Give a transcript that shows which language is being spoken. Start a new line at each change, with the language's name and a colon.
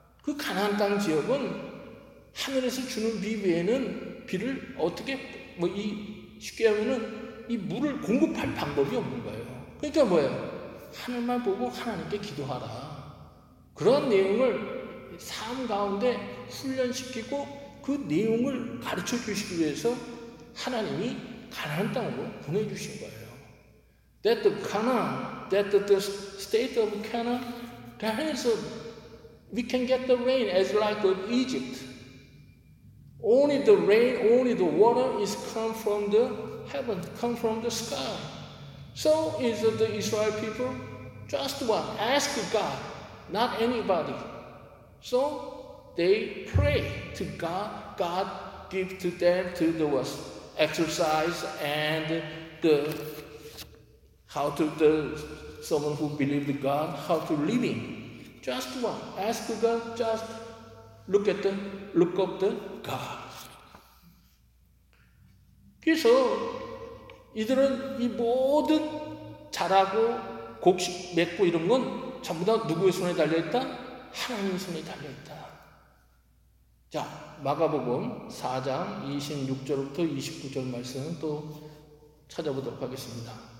Korean: 그 가나안 땅 지역은 하늘에서 주는 비 외에는 비를 어떻게 쉽게 하면은 이 물을 공급할 방법이 없는 거예요. 그러니까 뭐예요? 하늘만 보고 하나님께 기도하라. 그런 내용을 삶 가운데 훈련시키고 그 내용을 가르쳐 주시기 위해서 하나님이 가나안 땅으로 보내주신 거예요.
English: That the Canaan, that the state of Canaan, there is a, we can get the rain as like of Egypt. Only the rain, only the water is come from the heaven, come from the sky. So is the Israel people, just what? Ask God, not anybody. So they pray to God, God give to them to the what? Exercise and the how to the someone who believed God how to live in just one ask God just look at the look of the God.
Korean: 그래서 이들은 이 모든 자라고 곡식 맺고 이런 건 전부 다 누구의 손에 달려 있다? 하나님 손에 달려 있다. 자, 마가복음 4장 26절부터 29절 말씀은 또 찾아보도록 하겠습니다.